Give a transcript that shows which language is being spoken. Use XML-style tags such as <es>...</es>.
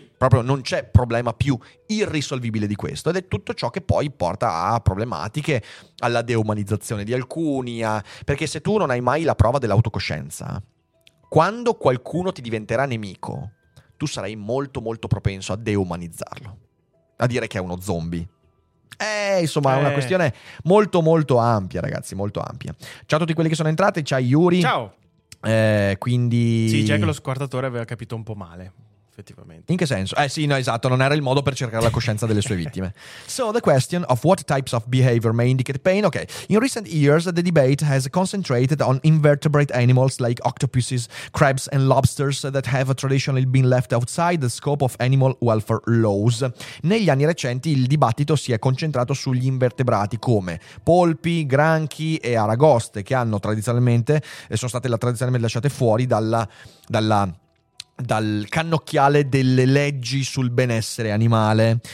<it>Proprio non c'è problema più irrisolvibile di questo, ed è tutto ciò che poi porta a problematiche, alla deumanizzazione di alcuni, perché se tu non hai mai la prova dell'autocoscienza, quando qualcuno ti diventerà nemico, tu sarai molto molto propenso a deumanizzarlo, a dire che è uno zombie. Insomma, è una questione molto molto ampia, ragazzi, molto ampia. Ciao a tutti quelli che sono entrati, ciao Yuri. Ciao. Quindi sì, c'è che lo squartatore aveva capito un po' male, effettivamente. In che senso? Sì, no, esatto, non era il modo per cercare la coscienza delle sue vittime.</it> <en>So the question of what types of behavior may indicate pain. Okay. In recent years the debate has concentrated on invertebrate animals like octopuses, crabs and lobsters that have traditionally been left outside the scope of animal welfare laws.</en> <it>Negli anni recenti il dibattito si è concentrato sugli invertebrati come polpi, granchi e aragoste, che hanno tradizionalmente sono state tradizionalmente lasciate fuori dal cannocchiale delle leggi sul benessere animale.</it>